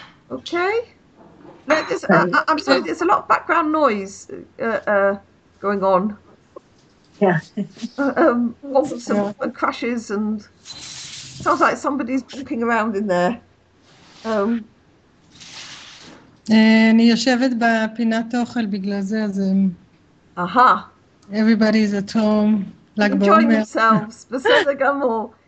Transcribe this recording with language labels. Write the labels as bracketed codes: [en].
[en] Okay? Let this, I'm sorry, there's a lot of background noise going on. Yeah. Some crashes and Sounds like somebody's walking around in there. [he] אני יושבת בפינת אוכל בגלל זה, אז Aha. [en] Everybody is at home, [he] לג בעומר. [en] Enjoying themselves, [he] בסדר גמור.